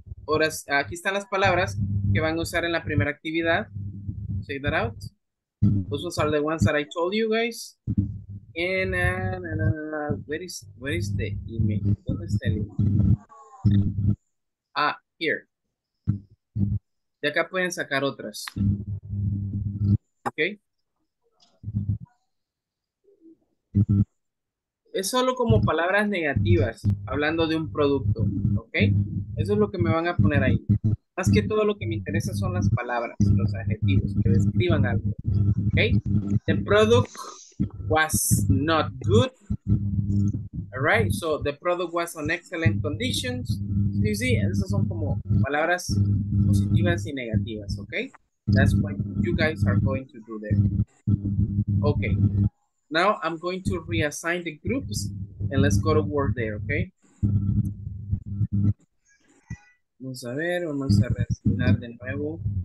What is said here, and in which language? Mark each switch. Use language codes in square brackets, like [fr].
[es] Horas, aquí están las palabras que van a usar en la primera actividad. [en] Say that out. Those are the ones that I told you guys. Where is the email? [es] ¿Dónde está el email? Ah, here. De acá pueden sacar otras. Okay. Es solo como palabras negativas, hablando de un producto, ¿ok? Eso es lo que me van a poner ahí. Más que todo lo que me interesa son las palabras, los adjetivos, que describan algo, ¿ok? [en] The product was not good, alright? So, the product was in excellent conditions. [es] Sí, sí, esas son como palabras positivas y negativas, ¿ok? [en] That's what you guys are going to do there. Ok. Now I'm going to reassign the groups and let's go to work there, okay? [es] Vamos a ver, vamos a reasignar de nuevo.